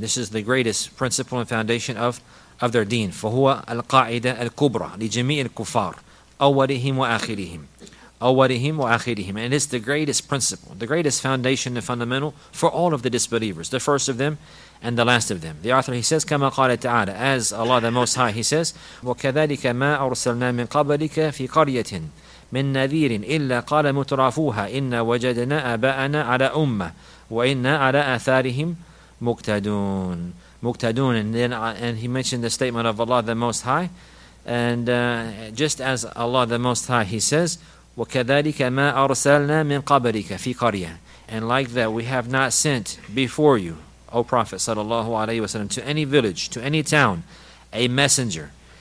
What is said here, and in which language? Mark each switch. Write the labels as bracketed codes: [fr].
[en] This is the greatest principle and foundation of their deen. [ar] فَهُوَ الْقَاعِدَ الْكُبْرَى لِجَمِيعِ الْكُفَّارِ أَوَّلِهِمْ وَآخِرِهِمْ أَوَّلِهِمْ وَآخِرِهِمْ. [en] And it's the greatest principle, the greatest foundation and fundamental for all of the disbelievers, the first of them and the last of them. The author, he says, [ar] كَمَا قَالَ تَعَالَى, [en] as Allah the Most High, he says, [ar] وَكَذَلِكَ مَا أَرْسَلْنَا مِنْ قَبْلِكَ فِي قَرْيَةٍ مِنْ نَذِيرٍ إِلَّا قَالَ مُتْرَفُوهَا إِنَّا وَجَدْنَا آبَاءَنَا عَلَى أُمَّةٍ وَإِنَّا عَلَى آثَارِهِمْ Muqtadun. [en] And he mentioned the statement of Allah the Most High. And just as Allah the Most High, he says, [ar] وَكَذَلِكَ مَا أَرْسَلْنَا مِنْ قَبْلِكَ فِي قَرْيَةٍ. [en] And like that, we have not sent before you, O Prophet sallallahu alayhi wasallam, to any village, to any town, a messenger.